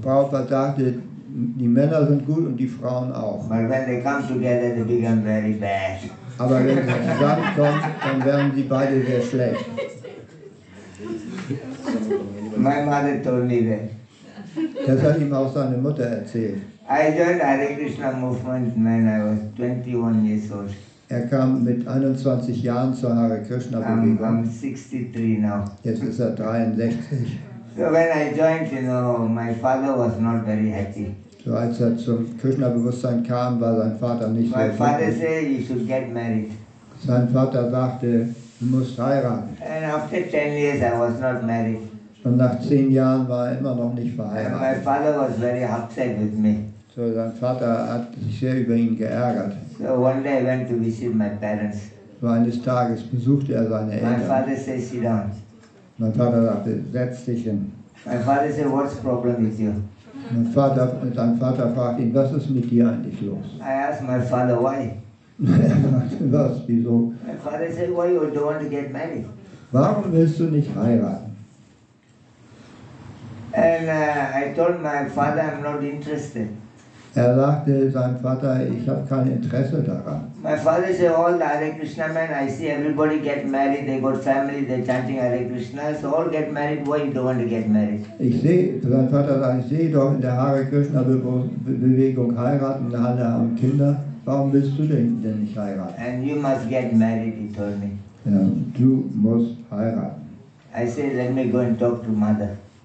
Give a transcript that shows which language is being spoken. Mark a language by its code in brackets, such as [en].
[de] Prabhupada sagte, die Männer sind gut und die Frauen auch. [en] But when they come together, they become very bad. [de] Aber wenn sie zusammenkommen, dann werden sie beide sehr schlecht. [en] My mother told me that. [de] Das hat ihm auch seine Mutter erzählt. [en] I joined Hare Krishna movement when I was 21 years old. [de] Er kam mit 21 Jahren zur Hare Krishna Bewegung. [en] I'm 63 now. [de] Jetzt ist er 63. [en] So when I joined, my father was not very happy. [de] So als er zum Krishna-Bewusstsein kam, war sein Vater nicht so glücklich. [en] My father said you should get married. [de] Sein Vater sagte, du musst heiraten. [en] And after 10 years I was not married. [de] Und nach 10 Jahren war er immer noch nicht verheiratet. [en] And my father was very upset with me. [de] So sein Vater hat sich sehr über ihn geärgert. [en] So one day I went to visit my parents. [de] So eines Tages besuchte er seine Eltern. [en] My father said, sit down. [de] Mein Vater sagte, setz dich hin. [en] My father said, what's the problem with you? [de] Sein Vater fragt ihn, was ist mit dir eigentlich los? [en] I asked my father why. [de] Was, wieso? [en] My father said, why you don't want to get married? [de] Warum willst du nicht heiraten? [en] And I told my father I'm not interested. [de] Er sagte seinem Vater, ich habe kein Interesse daran. [en] My father said, all the Hare Krishna men, I see everybody get married, they got family, they're chanting Hare Krishna, so all get married, why you don't want to get married? [de] Sein Vater sagt, ich sehe doch in der Hare Krishna Bewegung heiraten, alle haben Kinder, warum willst du denn nicht heiraten? [en] And you must get married, he told me. [de] Ja, du musst heiraten. [en] I say, let me go and talk to mother.